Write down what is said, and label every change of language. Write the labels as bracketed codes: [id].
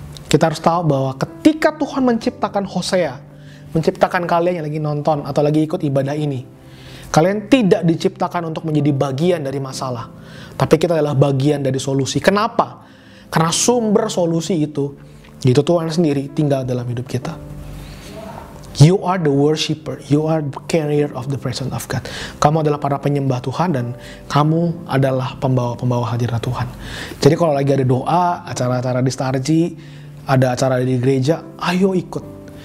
[id] Kita harus tahu bahwa ketika Tuhan menciptakan Hosea, menciptakan kalian yang lagi nonton atau lagi ikut ibadah ini, kalian tidak diciptakan untuk menjadi bagian dari masalah, tapi kita adalah bagian dari solusi. Kenapa? Karena sumber solusi itu Tuhan sendiri tinggal dalam hidup kita. [en] You are the worshipper. You are the carrier of the presence of God. [id] Kamu adalah para penyembah Tuhan dan kamu adalah pembawa-pembawa hadirat Tuhan. Jadi kalau lagi ada doa, acara-acara di Starji, ada acara di gereja, ayo ikut.